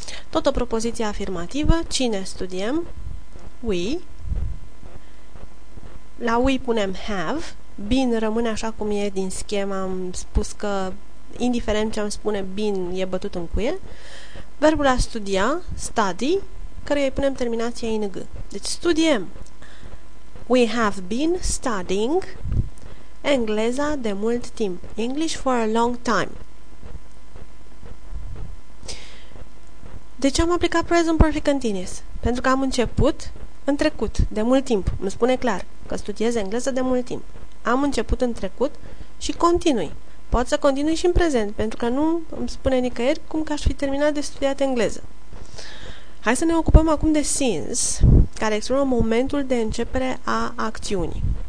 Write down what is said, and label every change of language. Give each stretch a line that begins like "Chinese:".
Romanian: Tot o propoziție afirmativă. Cine studiem? We. La we punem have. Been rămâne așa cum e din schema. Am spus că indiferent ce am spune, been e bătut în cuie. Verbul a studia, study, căruia îi punem terminația ing. Deci studiem.
English: We have been studying
Romanian: engleza de mult timp.
English: English for a long time.
Romanian: De ce am aplicat present perfect continuous? Pentru că am început în trecut, de mult timp. Îmi spune clar că studiez engleză de mult timp. Am început în trecut și continui. Pot să continui și în prezent, pentru că nu îmi spune nicăieri cum că aș fi terminat de studiat engleză. Hai să ne ocupăm acum de since, care exprimă momentul de începere a acțiunii.